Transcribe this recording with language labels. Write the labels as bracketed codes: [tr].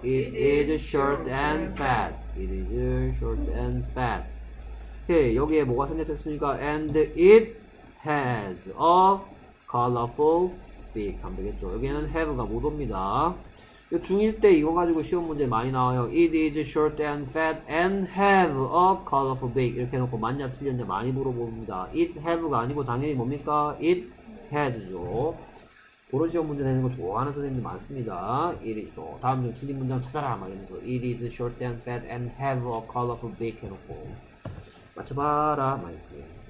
[en] It is short and fat. It is short and fat. 오케이. [ko] 여기에 뭐가 생략됐습니까? [en] And it has a colorful beak. [ko] 하면 되겠죠. 여기에는 have가 못 옵니다. 중1 때 이거 가지고 시험 문제 많이 나와요. [en] It is short and fat and have a colorful beak. [ko] 이렇게 해놓고 맞냐 틀렸냐 많이 물어봅니다. [en] It have [ko] 가 아니고 당연히 뭡니까? [en] It has [ko] 죠. 그런 시험 문제 내는 거 좋아하는 선생님들 많습니다. [en] It is. [ko] 다음 중 틀린 문장 찾아라. 막 이러면서 [en] It is short and fat and have a colorful beak [ko] 해놓고 맞춰봐라. 막 이렇게.